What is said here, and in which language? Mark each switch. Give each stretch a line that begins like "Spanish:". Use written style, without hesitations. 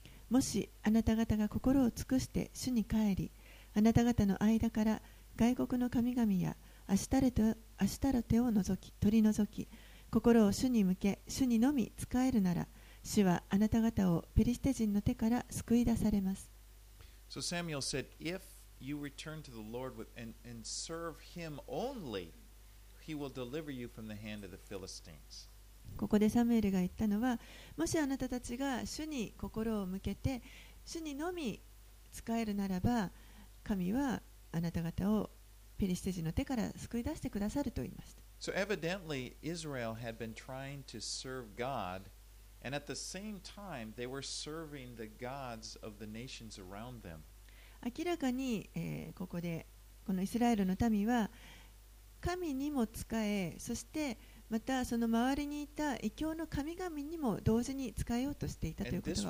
Japanese: もしあなた方が心を尽くして主に帰り、あなた方の間から外国の神々やアシュタロテを取り除き、心を主に向け、主にのみ仕えるなら、主はあなた方をペリシテ人の手から救い出されます。
English: So Samuel said, if you return to the Lord with and serve Him only, He will deliver you from the hand of the Philistines.
Japanese: ここでサムエルが言ったのは、もしあなたたちが主に心を向けて主にのみ使えるならば、神はあなた方をペリシテ人の手から救い出してくださると言いました。
English: So evidently Israel had been trying to serve God, and at the same time they were serving the gods of the nations around them.
Japanese: 明らかに、ここでこのイスラエルの民は神にも使え、そしてまたその周りにいた異教の神々にも同時に使えようとしていたということが